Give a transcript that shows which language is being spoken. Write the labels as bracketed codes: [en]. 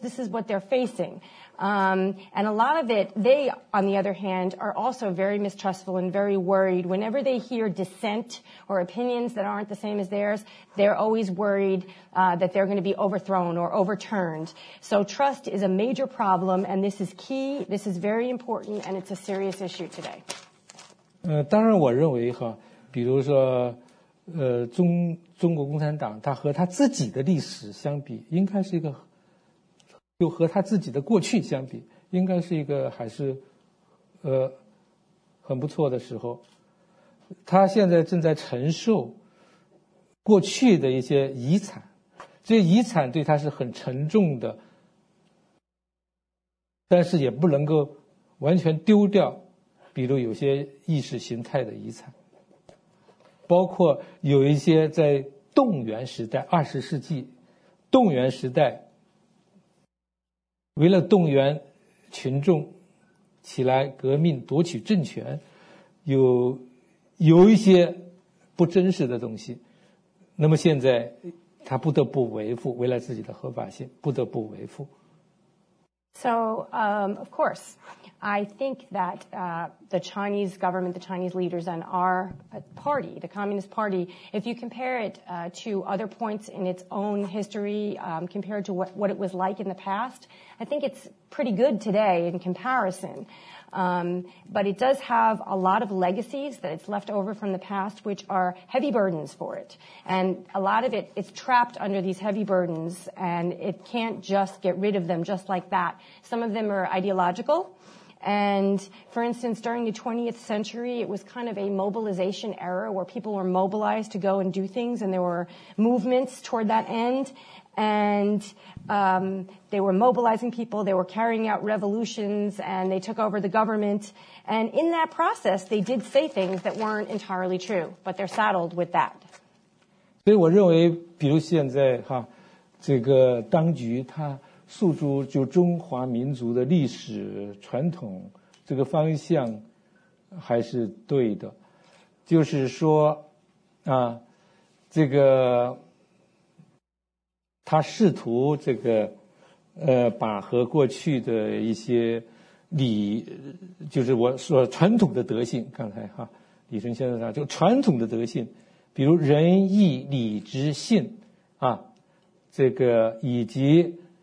[en] This is what they're facing. And a lot of it, they, on the other hand, are also very mistrustful and very worried. Whenever they hear dissent or opinions that aren't the same as theirs, they're always worried that they're going to be overthrown or overturned. So trust is a major problem, and this is key. This is very important, and it's a serious issue today. [zh] 当然我认为哈，比如说中国共产党它和它自己的历史相比应该是一个，就和它自己的过去相比应该是一个还是很不错的时候，它现在正在承受过去的一些遗产，这遗产对它是很沉重的，但是也不能够完全丢掉，比如有些意识形态的遗产，包括有一些在动员时代，二十世纪动员时代，为了动员群众起来革命夺取政权，有一些不真实的东西，那么现在他不得不维护，为了自己的合法性不得不维护。 [en] So, of course, I think that the Chinese government, the Chinese leaders, and our party, the Communist Party, if you compare it to other points in its own history, compared to what it was like in the past, I think it's pretty good today in comparison. But it does have a lot of legacies that it's left over from the past, which are heavy burdens for it. And a lot of it, it's trapped under these heavy burdens, and it can't just get rid of them just like that. Some of them are ideological. And, for instance, during the 20th century, it was kind of a mobilization era where people were mobilized to go and do things, and there were movements toward that end. And they were mobilizing people, they were carrying out revolutions, and they took over the government. And in that process, they did say things that weren't entirely true, but they're saddled with that. [zh] 所以我认为，比如现在哈，这个当局它诉诸就中华民族的历史传统，这个方向还是对的。就是说，啊，这个他试图这个把和过去的一些礼，就是我说传统的德性，刚才哈李晨先生讲，就传统的德性，比如仁义礼智信啊，这个以及